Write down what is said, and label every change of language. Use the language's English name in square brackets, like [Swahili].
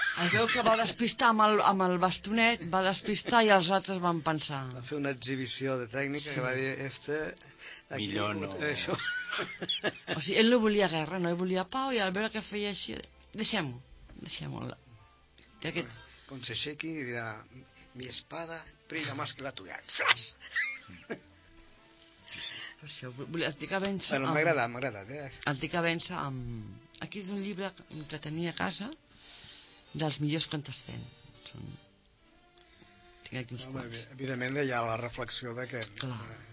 [Catalan] Es veu que va despistar amb el bastonet, va despistar i els altres van pensar... Va fer una exhibició de tècnica, sí. Que va dir... Este, aquí, millor no. Això. O sigui, ell no volia guerra, no? Ell volia pau, i al veure que feia així... Deixem-ho. Aquest... Com s'aixequi i dirà... [Spanish] Mi espada, prilla más que la tuya. [Catalan] Per això, volia explicar vèncer... Bueno, m'agrada. Explicar vèncer amb... Aquí és un llibre que tenia a casa, dels millors contes fent. Són... Tinc aquí uns quants. Evidentment, hi ha la reflexió de que... Clar.